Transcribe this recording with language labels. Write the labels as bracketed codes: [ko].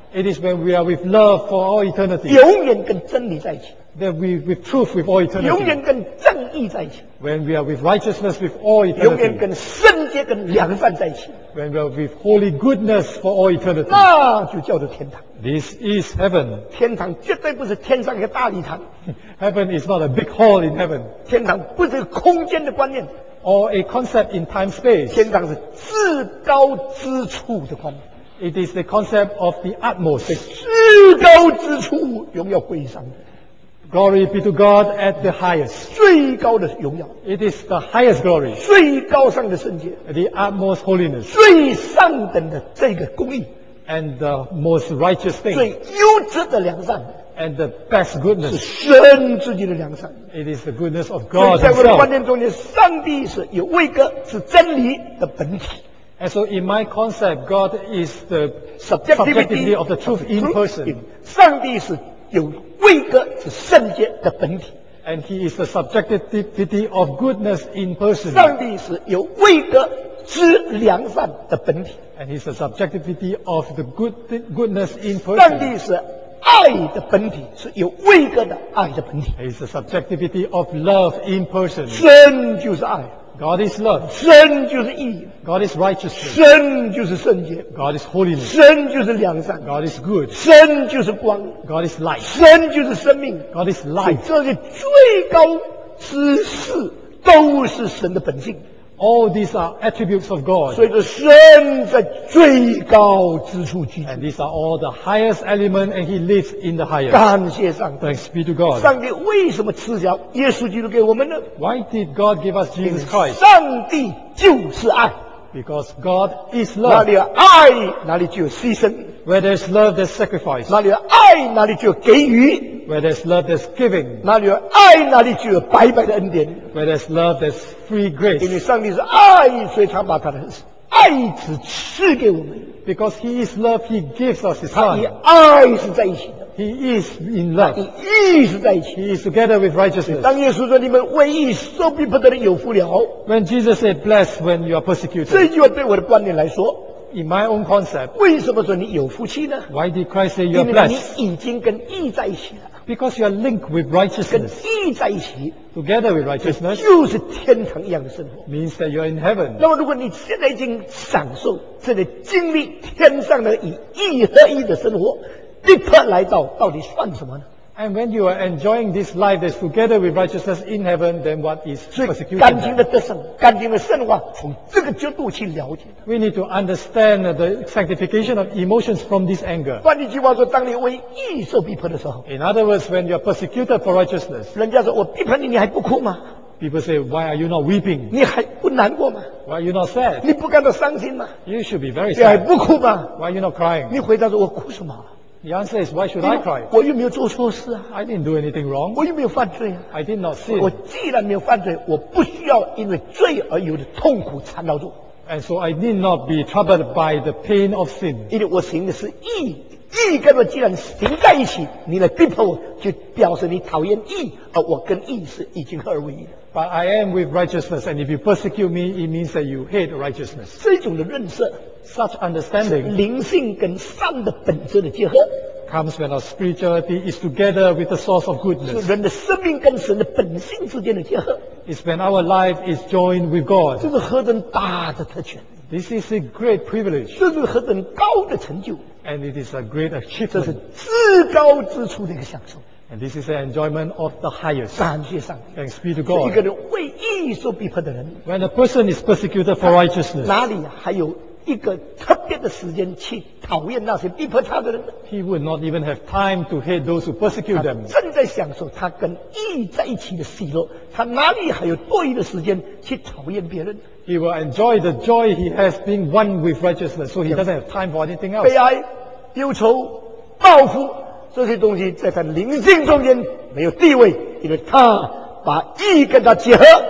[en] It is when we are with love for all eternity. [zh] 永远跟真理在一起。 [en] That we with truth with all eternity. [zh] 永远跟正义在一起。 [en] When we are with righteousness with all eternity. [zh] 永远跟圣洁跟良善在一起。 [en] When we are with holy goodness for all eternity. [zh] 那就叫做天堂。 [en] This is heaven. [zh] 天堂绝对不是天上一个大礼堂。 [en] Heaven is not a big hall in heaven. [zh] 天堂不是空间的观念。 [en] Or a concept in time space. [zh] 天堂是至高之处的观念。 [en] It is the concept of the utmost. [zh] 至高之处荣耀归上帝。 [en] Glory be to God at the highest. [zh] 最高的荣耀。 [en] It is the highest glory. [zh] 最高上的圣洁。 [en] The utmost holiness. [zh] 最上等的这个公义。 [en] And the most righteous thing. [zh] 最优质的良善。 [en] And the best goodness. [zh] 是神自己的良善。 [en] It is the goodness of God [zh] 所以在我的观念中间，上帝是有位格，是真理的本体。 [en] And so in my concept, God is the subjectivity of the truth in person. [zh] 上帝是有位格，是圣洁的本体。 [en] And he is the subjectivity of goodness in person. [zh] 上帝是有位格，知良善的本体。 [en] And it's the subjectivity of the goodness in person. [zh] 上帝是爱的本体，是有位格的爱的本体。 [en] It's the subjectivity of love in person. [zh] 神就是爱。 [en] God is love. [zh] 神就是义。 [en] God is righteousness. [zh] 神就是圣洁。 [en] God is holiness. [zh] 神就是良善。 [en] God is good. [zh] 神就是光。 [en] God is light. [zh] 神就是生命。 [en] God is life. [zh] 这些最高知识都是神的本性。 [en] All these are attributes of God. [zh] 所以说神在最高之处居住。 [en] And these are all the highest element, and He lives in the highest. [zh] 感谢上帝。 [en] Thanks be to God. [zh] 上帝为什么赐下耶稣基督给我们呢？ [en] Why did God give us Jesus Christ? [zh] 上帝就是爱。 [en] Because God is love. [zh] 哪里有爱，哪里就有牺牲。 [en] Where there's love, there's sacrifice. [zh] 哪里有爱，哪里就有给予。 [en] Where there's love, there's giving. [zh] 哪里有爱，哪里就有白白的恩典。 [en] Where there's love, there's free grace. [zh] 因为上帝是爱，所以他把他的爱子赐给我们。 [en] Because He is love, He gives us His Son. [zh] 他与爱是在一起的。 [en] He is in love. [zh] 他与义是在一起。 [en] He is together with righteousness. [zh] 当耶稣说你们为义受逼迫的人有福了。 [en] When Jesus said, "Blessed when you are persecuted." [zh] 这句话对我的观念来说。 [en] In my own concept, [zh] 为什么说你有福气呢？ [en] Why did Christ say you are blessed? [zh] 因为你已经跟义在一起了。 [en] Because you are linked with righteousness. [zh] 跟义在一起。 [en] Together with righteousness. [zh] 就是天堂一样的生活。 [en] Means that you are in heaven. [zh] 那么如果你现在已经享受正在经历天上的以义合一的生活，立刻来到到底算什么呢？ [en] And when you are enjoying this life that's together with righteousness in heaven, then what is persecution? [zh] 干净的得胜，干净的圣化，从这个角度去了解。 [en] We need to understand the sanctification of emotions from this anger. [zh] 换一句话说，当你为义受逼迫的时候。 [en] In other words, when you are persecuted for righteousness. [zh] 人家说我逼迫你，你还不哭吗？ [en] People say, why are you not weeping? [zh] 你还不难过吗？ [en] Why are you not sad? [zh] 你不感到伤心吗？ [en] You should be very sad. [zh] 你还不哭吗？ [en] Why are you not crying? [zh] 你回答说我哭什么？ [en] The answer is, why should I cry? [zh] 我又没有做错事啊。 [en] I didn't do anything wrong. [zh] 我又没有犯罪啊。 [en] I did not sin. [zh] 我既然没有犯罪，我不需要因为罪而有的痛苦缠绕住。 [en] And so I need not be troubled by the pain of sin. [zh] 因为我行的是义，义跟我既然行在一起，你来逼迫我，就表示你讨厌义，而我跟义是已经合二为一的。 [en] But I am with righteousness, and if you persecute me, it means that you hate righteousness. [zh] 这种的认识。 [en] Such understanding [zh] 是灵性跟善的本质的结合。 [en] Comes when our spirituality is together with the source of goodness. [zh] 是人的生命跟神的本性之间的结合。 [en] It's when our life is joined with God. [zh] 这是何等大的特权。 [en] This is a great privilege. [zh] 这是何等高的成就。 [en] And it is a great achievement. [zh] 这是至高之处的一个享受。 [en] And this is an enjoyment of the highest. [zh] 感谢上帝。 [en] Thanks be to God. [zh] 一个人为义受逼迫的人。 [en] When a person is persecuted for righteousness. [zh] 哪里还有一个特别的时间去讨厌那些逼迫他的人。 [en] He would not even have time to hate those who persecute them. [zh] 正在享受他跟义在一起的喜乐，他哪里还有多余的时间去讨厌别人？ [en] He will enjoy the joy he has been one with righteousness, so he doesn't have time for anything else. [zh] 悲哀、忧愁、报复这些东西在他灵性中间没有地位，因为他把义跟他结合。